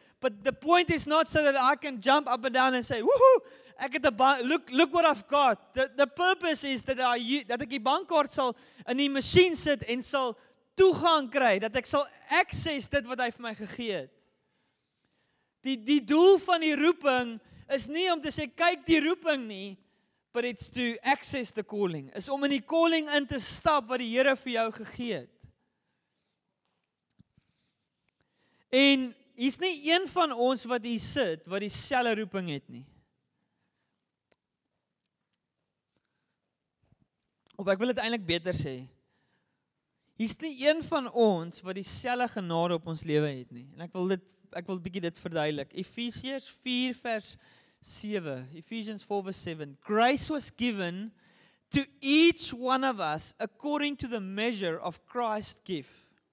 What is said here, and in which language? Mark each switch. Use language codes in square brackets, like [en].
[en] But the point is not so that I can jump up and down and say, woohoo, [af] ek het 'n [en] look what I've got. The purpose is that [af] ek die bankkaart sal in die masjien sit en sal toegang kry, dat ek sal access dit wat hy vir my gegee het. Die doel van die roeping is nie om te sê, kyk die roeping nie, [en] but it's to access the calling. [af] Is om in die calling in te stap wat die Here vir jou gegee het. En hier's nie een van ons wat hier sit, wat dieselfde roeping het nie. Of ek wil dit eintlik beter sê. Hier's nie een van ons wat dieselfde genade op ons lewe het nie. En ek wil 'n bietjie dit verduidelik. Efesiërs 4 vers 7, [en] Ephesians 4 verse 7, grace was given to each one of us according to the measure of Christ's gift.